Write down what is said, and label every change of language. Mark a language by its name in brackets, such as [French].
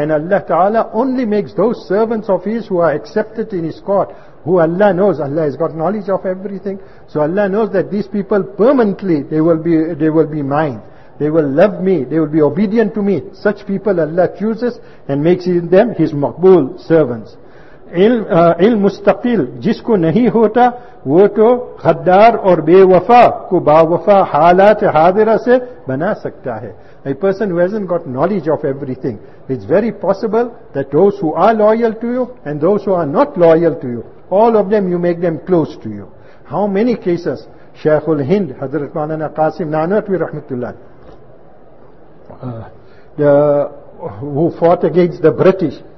[English] And Allah Ta'ala only makes those servants of His who are accepted in His court, who Allah knows, Allah has got knowledge of everything. So Allah knows that these people permanently, they will be mine. They will love me, they will be obedient to me. Such people Allah chooses and makes in them His maqbool servants. [Urdu] علم مستقل جس کو نہیں ہوتا وہ تو غدار اور بے وفا کو با وفا حالات حاضرہ سے بنا سکتا ہے. [English] A person who hasn't got knowledge of everything, it's very possible that those who are loyal to you and those who are not loyal to you, all of them you make them close to you. How many cases Sheikh ul-Hind Hazrat Maulana Qasim Nanautvi Rahmatullah who fought against the British.